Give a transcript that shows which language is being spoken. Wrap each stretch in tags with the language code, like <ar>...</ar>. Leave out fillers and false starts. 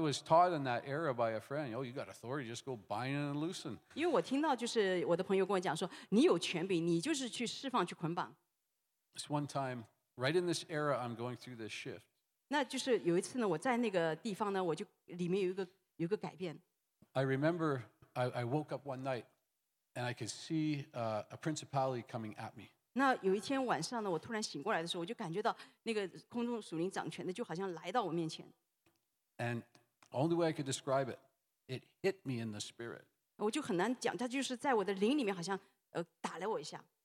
<en>was taught in that era by a friend. Oh, you got authority, just go bind and loosen.</en> <zh>因为我听到就是我的朋友跟我讲说，你有权柄，你就是去释放去捆绑。It's</zh> <en>one time, right in this era, I'm going through this shift.</en> <zh>那就是有一次呢，我在那个地方呢，我就里面有一个改变。I</zh> <en>remember. I woke up one night and I could see a principality coming at me.</en> <zh>那有一天晚上呢，我突然醒过来的时候，我就感觉到那个空中属灵掌权的就好像来到我面前。</zh> <en>And only way I could describe it, it hit me in the spirit.</en> <zh>我就很难讲，它就是在我的灵里面好像打了我一下。</zh>